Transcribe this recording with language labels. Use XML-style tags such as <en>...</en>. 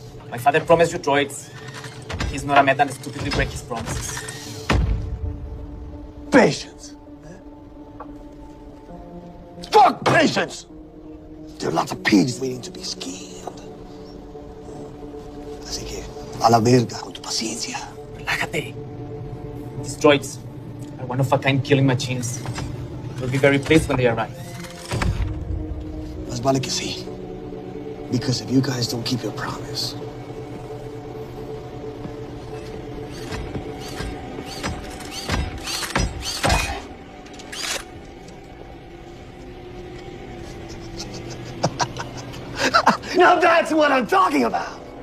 <en>My father promised you droids. He's not a man that stupidly break his promises. Patience. Fuck patience! There are lots of pigs waiting to be skinned.</en> <es>Así que, a la verga con tu paciencia. Relájate.</es> <en>These droids are one of a kind killing machines. We'll be very pleased when they arrive.</en> <es>Más vale que sí.</es> <en>Because if you guys don't keep your promise, that's what I'm talking about.</en>